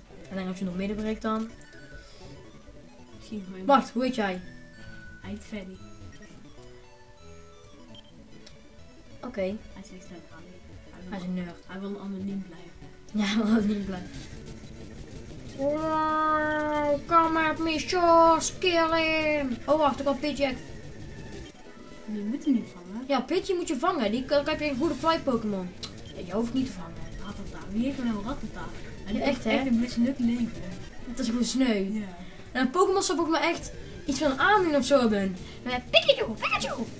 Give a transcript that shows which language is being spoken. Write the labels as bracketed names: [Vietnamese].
[Dutch] En dan heb je nog middenbreek dan. Bart, hoe heet jij? Hij heet Freddy. Oké. Hij is echt Hij is een nerd. Hij wil anoniem blijven. Ja, hij wil anoniem blijven. [English] Wow, come at me, Josh, kill him! [Dutch] Oh, wacht, ik kan Pidgey. Je moet hem niet vangen. Ja, Pidgey moet je vangen. Die kan, heb je een goede fly Pokémon. Ja, je hoeft niet te vangen. Rattata. Wie heeft nou Rattata? Ja, echt, hè? Echt een mislukt leven. Dat is gewoon sneu. Ja. En Pokémon zou volgens mij echt iets van aandoen of zo hebben. Pikachu!